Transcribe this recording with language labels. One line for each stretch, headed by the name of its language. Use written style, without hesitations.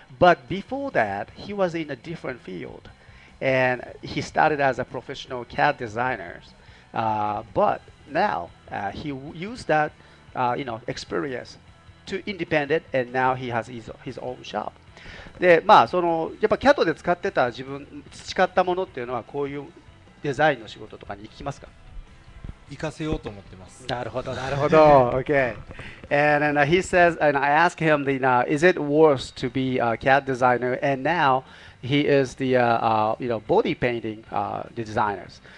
English: But before that, he was in a different field. And he started as a professional CAD designer. But now he used that you know, experience to independent, and now he has his own shop.
Japanese: で、まあ、そのやっぱ CAD で使ってた自分培ったものっていうのはこういうデザインの仕事とかに行きますか？行かせようと思ってます。なるほど、なるほど。Okay.
English: And then he says, and I ask him, the, is it worse to be a CAD designer? And now he is the you know, body painting designers.